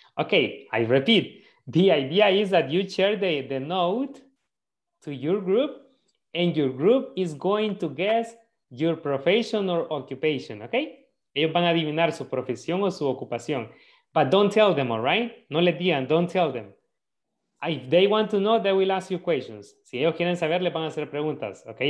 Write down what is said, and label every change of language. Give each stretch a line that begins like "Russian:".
English: Okay, I repeat, the idea is that you share the note to your group and your group is going to guess your profession or occupation, okay?
Spanish: Ellos van a adivinar su profesión o su ocupación.
English: But don't tell them, all right?
Spanish: No les digan,
English: don't tell them. If they want to know, they will ask you questions.
Spanish: Si ellos quieren saber, les van a hacer preguntas, okay?